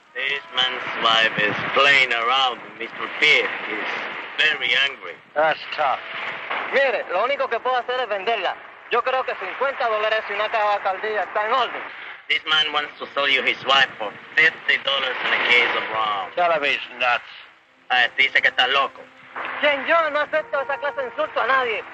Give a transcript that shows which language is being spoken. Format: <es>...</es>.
<en>This man's wife is playing around with Mr. Pete. He's very angry. That's tough.</en> <es>Mire, lo único que puedo hacer es venderla. Yo creo que $50 y una caja caldilla está en orden.</es> <en>This man wants to sell you his wife for $50 in a case of rum. Television nuts.</en> <es>Dice que está loco. Señor, no acepto esa clase de insulto a nadie.</es>